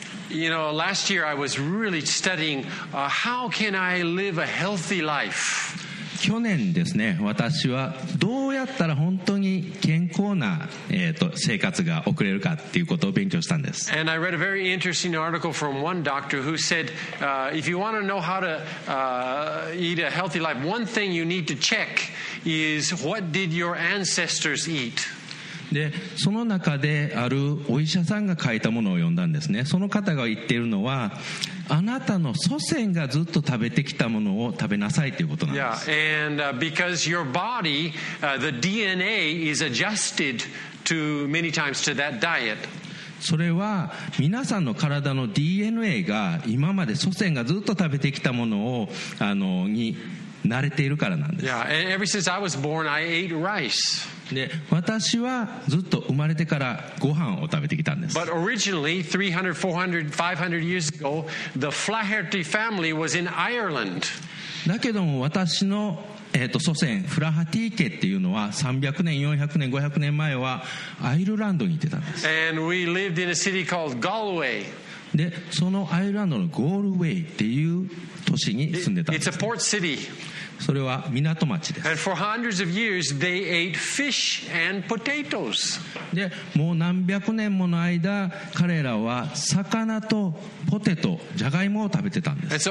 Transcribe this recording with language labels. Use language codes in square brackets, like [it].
[en] You know, last year I was really studying how can I live a healthy life. [ja] 去年ですね、私はどうやったら本当に健康な、生活が送れるかっていうことを勉強したんです。 [en] And I read a very interesting article from one doctor who said, if you want to know how to eat a healthy life, one thing you need to check is what did your ancestors eat? [ja] でその中であるお医者さんが書いたものを読んだんですね。その方が言っているのは、あなたの祖先がずっと食べてきたものを食べなさいということなんです。 [en] Yeah, and because your body, the DNA is adjusted to many times to that diet. [ja] それは皆さんの体の DNA が今まで祖先がずっと食べてきたものをに慣れているからなんです。 [en] Yeah, and ever since I was born, I ate rice. [ja] で私はずっと生まれてからご飯を食べてきたんです。 [en] But originally 300, 400, 500 years ago the Flaherty family was in Ireland. [ja] だけども私の、祖先フラハティ家っていうのは300年400年500年前はアイルランドにいてたんです。 [en] And we lived in a city called Galway. [ja] でそのアイルランドのゴールウェイっていう都市に住んでたんです。 [en] It's a port city [ja] それは港町です。 [en] And for hundreds of years, they ate fish and potatoes. [ja] で、もう何百年もの間、彼らは魚とポテト、ジャガイモを食べてたんです。